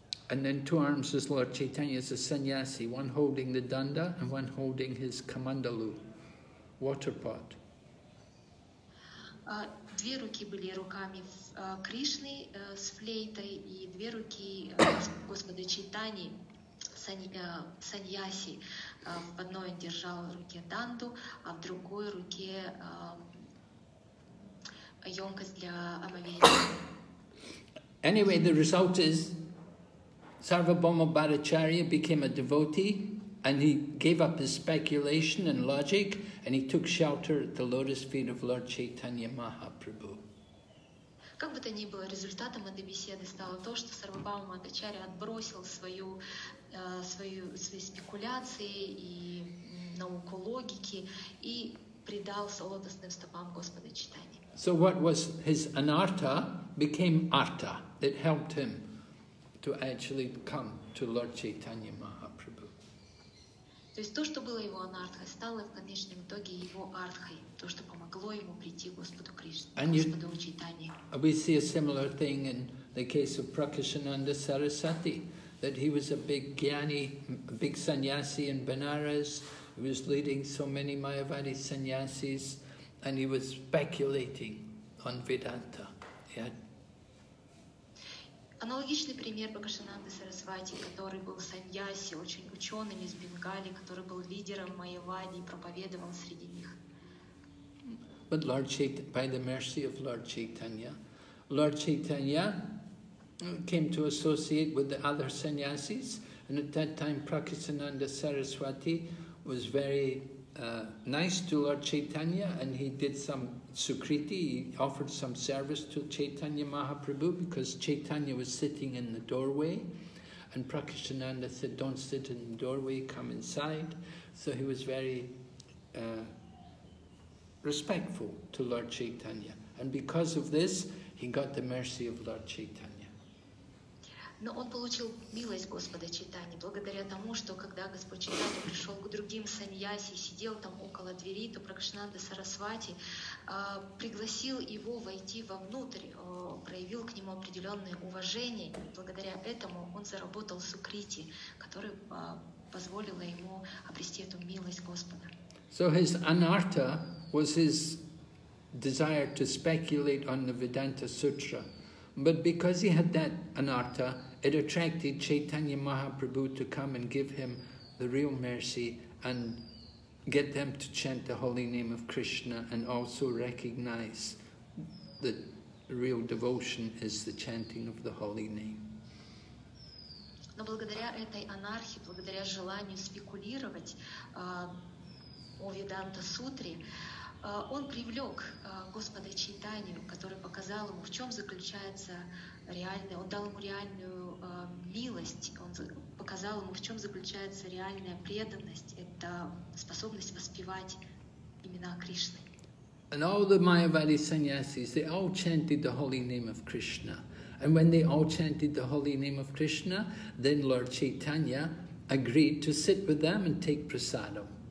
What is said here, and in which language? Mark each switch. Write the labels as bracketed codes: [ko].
[en] And then two arms is Lord Chaitanya as a sannyasi, one holding the danda and one holding his kamandalu, water pot. [ru] Две руки были руками Кришны с флейтой и две руки Господа Чайтаньи, сан-яси. В одной он держал в руке данду, а в другой руке емкость для омовения. [en] Anyway, the result is Sarvabhauma Bhattacharya became a devotee, and he gave up his speculation and logic, and he took shelter at the lotus feet of Lord Chaitanya Mahaprabhu. [ru] Как бы то ни было, результатом этой беседы стало то, что Сарвабхаума Бхаттачарья отбросил свои спекуляции и науку логики и предался лотосным стопам Господа Чайтаньи. [en] So what was his anartha became artha. It helped him to actually come to Lord Chaitanya Mahaprabhu. [ru] То есть то, что было его анартхой, стало в конечном итоге его артхой, то, что помогло ему прийти к Господу Кришне, Господу Чайтанье. [en] We see a similar thing in the case of Prakashananda Sarasvati, that he was a big gyani, a big sannyasi in Benares, he was leading so many Mayavadi sannyasis, and he was speculating on Vedanta. [ru] Аналогичный пример Прокашананды Сарасвати, который был саньяси, очень ученым из Бенгали, который был лидером Майявади и проповедовал среди них. [en] But Lord Chaitanya, by the mercy of Lord Chaitanya came to associate with the other sannyasis, and at that time Prakashananda Sarasvati was very nice to Lord Chaitanya, and he did some Sukriti, he offered some service to Chaitanya Mahaprabhu, because Chaitanya was sitting in the doorway, and Prakashananda said, don't sit in the doorway, come inside. So he was very respectful to Lord Chaitanya, and because of this, he got the mercy of Lord Chaitanya. [ru] Но он получил милость Господа Чайтаньи благодаря тому, что когда Господь Чайтанья пришел к другим саньяси и сидел там около двери, то Прокашананда Сарасвати пригласил его войти вовнутрь, проявил к нему определенное уважение. И благодаря этому он заработал сукрити, которая позволила ему обрести эту милость Господа. [en] So his anartha was his desire to speculate on the Vedanta Sutra. But because he had that anartha, it attracted Chaitanya Mahaprabhu to come and give him the real mercy and get them to chant the holy name of Krishna and also recognize that real devotion is the chanting of the holy name. [ru] Но благодаря этой анархии, благодаря желанию спекулировать, о Веданта Сутре, он привлек Господа Чайтанью, который показал ему, в чем заключается реальное, он дал ему реальную милость, он показал ему, в чем заключается реальная преданность, это способность воспевать имена Кришны. [en] And all the Mayavadi sannyasis, they all chanted the holy name of Krishna. And when they all chanted the holy name of Krishna, then Lord Chaitanya agreed to sit with them and take prasadam.